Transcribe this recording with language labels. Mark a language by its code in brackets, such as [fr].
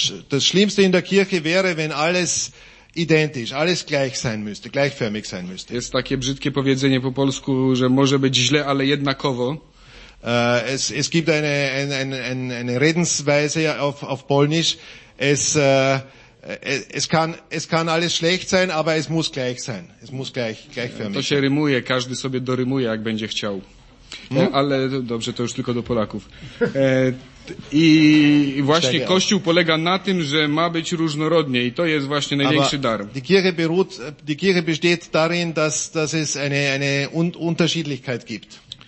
[de] Das Schlimmste in der Kirche wäre, wenn alles identisch, alles gleich sein müsste, gleichförmig sein müsste. [pl] Jest takie brzydkie powiedzenie po polsku, że może być źle, ale jednakowo. [de] Es gibt eine Redensweise auf Polnisch. Es kann alles schlecht sein, aber es muss gleich sein. Es muss gleichförmig sein. [pl] To się rymuje, każdy sobie dorymuje, jak będzie chciał. Ale dobrze, to już tylko do Polaków. I właśnie Kościół polega na tym, że ma być różnorodnie i to jest właśnie największy dar. [de] Die Kirche besteht darin, dass es eine Unterschiedlichkeit gibt.